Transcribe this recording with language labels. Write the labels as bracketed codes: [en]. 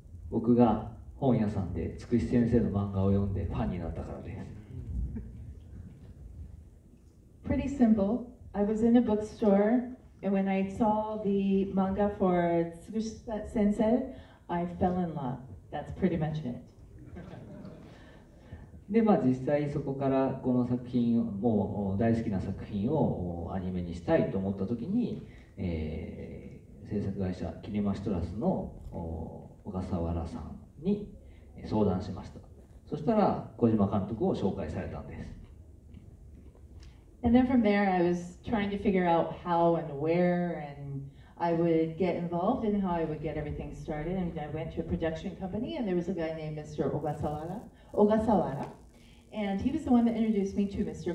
[ja] 僕が本屋さんでつくし先生の漫画を読んでファンになったからです。 [en] Pretty simple. I was in a bookstore and when I saw the manga for Tsukushi Sensei, I fell in love. That's pretty much it. [ja] で、まあ実際そこからこの作品を、もう大好きな作品をアニメにしたいと思った時に、制作会社キネマシトラスの小笠原さんに相談しました。そしたら小島監督を紹介されたんです。 [en] And then from there, I was trying to figure out how and where and I would get involved and how I would get everything started. And I went to a production company and there was a guy named Mr. Ogasawara. And he was the one that introduced me to Mr.